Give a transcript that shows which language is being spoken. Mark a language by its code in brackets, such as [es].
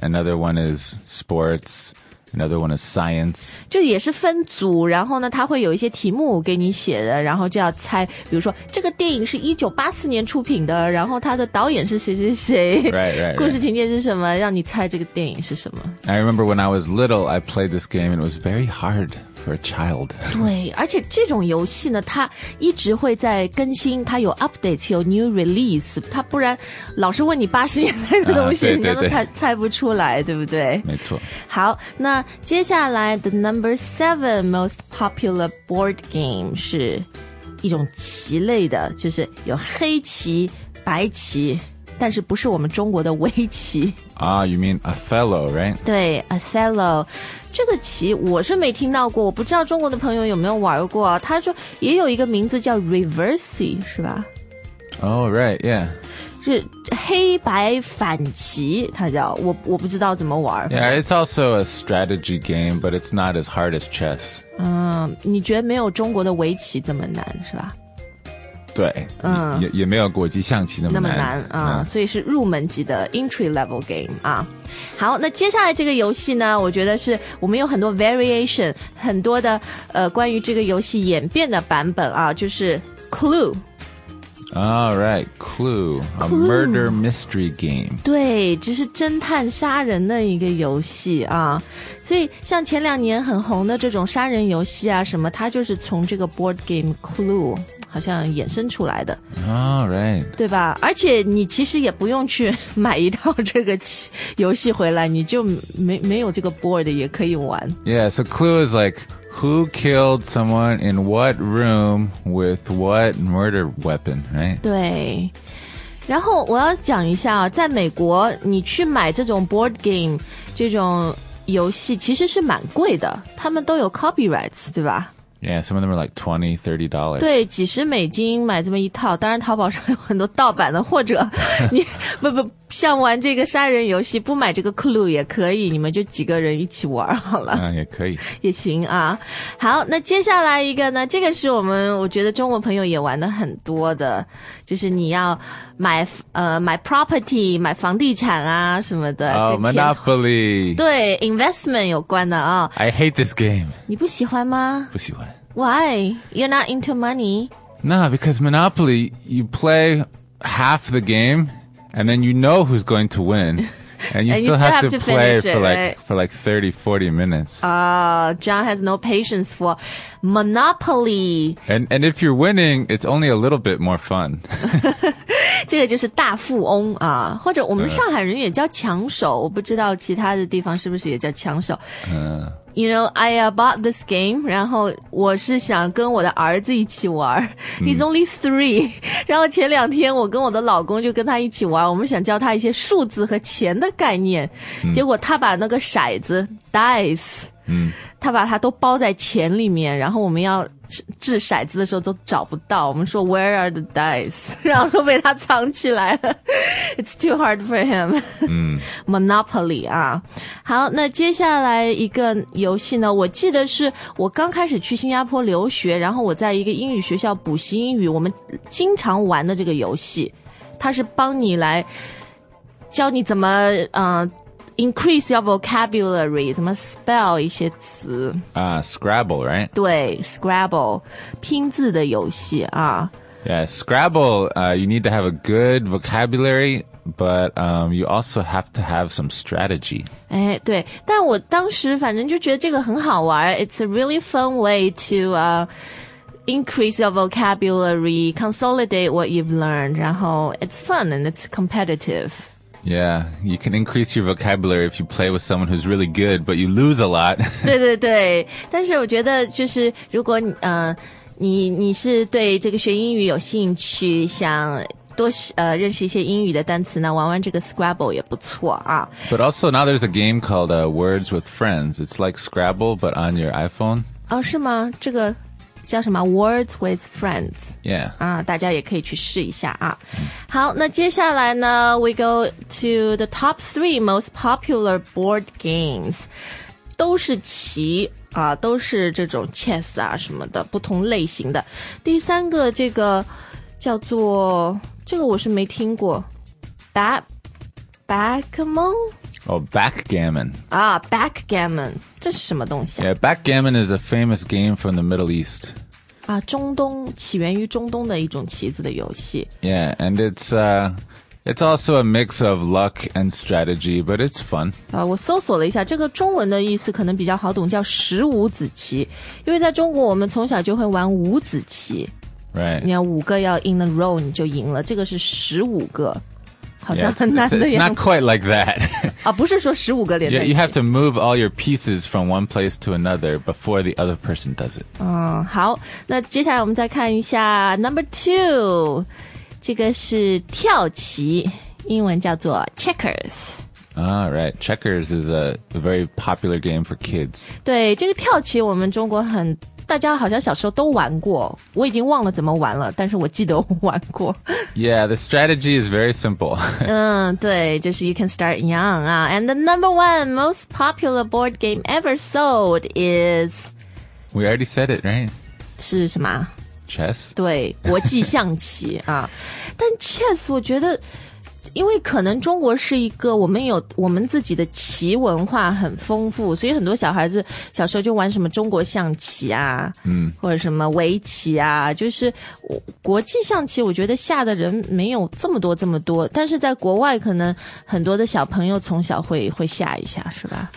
[en] Another one is sports. Another one is science. [zh] 就也是分组，然后呢，它会有一些题目给你写的，然后就要猜。比如说，这个电影是1984年出品的，然后它的导演是谁谁谁。 [en] Right. [zh] 故事情节是什么？让你猜这个电影是什么 [en] ？I remember when I was little, I played this game, and it was very hard. For a child. [zh] 对，而且这种游戏呢，它一直会在更新，它有 update， 有 new release， 它不然老是问你80年代的东西，你都猜不出来，对不对？没错。好，那接下来 [en] the number seven most popular board game [zh] 是一种棋类的，就是有黑棋、白棋，但是不是我们中国的围棋。 [en] You mean Othello, right? [zh] 对 ，Othello。这个棋我是没听到过，我不知道中国的朋友有没有玩过啊。他说也有一个名字叫 Reversi 是吧？ [en] Oh right, yeah. [zh] 是黑白反棋，它叫我不知道怎么玩。 [en] Yeah, it's also a strategy game, but it's not as hard as chess. [zh] 嗯，你觉得没有中国的围棋这么难是吧？对，嗯，也没有国际象棋那么难、嗯、所以是入门级的 [en] entry level game [zh] 啊。好，那接下来这个游戏呢，我觉得是我们有很多 variation, 很多的关于这个游戏演变的版本啊，就是 Clue。 [en] All right, Clue, a murder mystery game. [zh] 对，这是侦探杀人的一个游戏啊。所以像前两年很红的这种杀人游戏啊什么，它就是从这个 board game Clue 好像衍生出来的。 [en] All right. [zh] 对吧？而且你其实也不用去买一套这个游戏回来，你就没有这个 board 也可以玩。 [en] Yeah, so Clue is like... Who killed someone in what room with what murder weapon, right? [zh] 对。然后我要讲一下，在美国你去买这种 board game, 这种游戏其实是蛮贵的。他们都有 copyrights, 对吧？ [en] Yeah, some of them are like $20-$30. [zh] 对，几十美金买这么一套，当然淘宝上有很多盗版的，或者你不像玩这个杀人游戏，不买这个 Clue 也可以，你们就几个人一起玩好了。嗯，也可以。也行啊。好，那接下来一个呢，这个是我觉得中国朋友也玩的很多的，就是你要买 property, 买房地产啊什么的。 [en] Oh, Monopoly. [zh] 对 ,investment 有关的啊。 [en] I hate this game. [zh] 你不喜欢吗？不喜欢。 [en] Why? You're not into money? No, because Monopoly, you play half the game,And then you know who's going to win. And you, and still, you still have to play it, for like,、 right? for like 30, 40 minutes. John has no patience for Monopoly. And if you're winning, it's only a little bit more fun. [zh] 这个就是大富翁啊，或者我们上海人也叫抢手，我不知道其他的地方是不是也叫抢手。 [en] You know, I bought this game, [zh] 然后我是想跟我的儿子一起玩。 [en] He's only three. [zh] 然后前两天我跟我的老公就跟他一起玩，我们想教他一些数字和钱的概念。结果他把那个骰子 dice, 他把它都包在钱里面，然后我们要掷骰子的时候都找不到，我们说 [en] Where are the dice? [zh] 然后都被他藏起来了。 [en] It's too hard for him. [zh] Monopoly 啊，好，那接下来一个游戏呢？我记得是我刚开始去新加坡留学，然后我在一个英语学校补习英语，我们经常玩的这个游戏，它是帮你来教你怎么 [en] increase your vocabulary, [zh] 怎么 spell 一些词。 [en] Scrabble, right? [zh] 对 ,Scrabble, 拼字的游戏啊。 [en] Yeah, Scrabble, you need to have a good vocabulary, but you also have to have some strategy. [zh] 哎对，但我当时反正就觉得这个很好玩， [en] it's a really fun way to increase your vocabulary, consolidate what you've learned, [zh] 然后 [en] it's fun and it's competitive. Yeah, you can increase your vocabulary if you play with someone who's really good, but you lose a lot. [zh] 对对对，但是我觉得就是如果你是对这个学英语有兴趣，想多认识一些英语的单词呢，玩玩这个 Scrabble 也不错啊。 [en] But also now there's a game called Words with Friends. It's like Scrabble, but on your iPhone. [zh] 哦，是吗？这个叫什么 Words with Friends. [en] Yeah. [zh] 大家也可以去试一下啊。好，那接下来呢 [en] we go to the top three most popular board games. [zh] 都是棋啊，都是这种 chess 啊什么的，不同类型的。第三个这个叫做，这个我是没听过。 [en] Backgammon? Oh, backgammon. [zh] Ah, backgammon. 这是什么东西啊? [en] Yeah, backgammon is a famous game from the Middle East. [zh] 啊，中东，起源于中东的一种棋子的游戏。 [en] Yeah, and it's also a mix of luck and strategy, but it's fun. [zh] 啊，我搜索了一下，这个中文的意思可能比较好懂，叫十五子棋。因为在中国，我们从小就会玩五子棋。 [en] Right. [zh] 你要五个要 [en] in a row, [zh] 你就赢了。这个是十五个。好像很难的样子。 [en] Yeah, it's not quite like that. [zh] 啊，不是说15个连在一起。 [en] You have to move all your pieces from one place to another before the other person does it. [zh] 嗯，好，那接下来我们再看一下 number two， 这个是跳棋，英文叫做 checkers。 [en] All right. Checkers is a very popular game for kids. [zh] 对，这个跳棋我们中国很大家好像小时候都玩过，我已经忘了怎么玩了，但是我记得我玩过。 [en] Yeah, the strategy is very simple. [zh] 嗯，对，就是 [en] you can start young. And the number one most popular board game ever sold is... We already said it, right? [zh] 是什么？ [en] Chess? [zh] 对，国际象棋啊。但 Chess 我觉得因为可能中国是一个我们自己的棋文化很丰富，所以很多小孩子小时候就玩什么中国象棋啊，或者什么围棋啊，就是国际象棋我觉得下的人没有这么多，但是在国外可能很多的小朋友从小会下一下，是吧？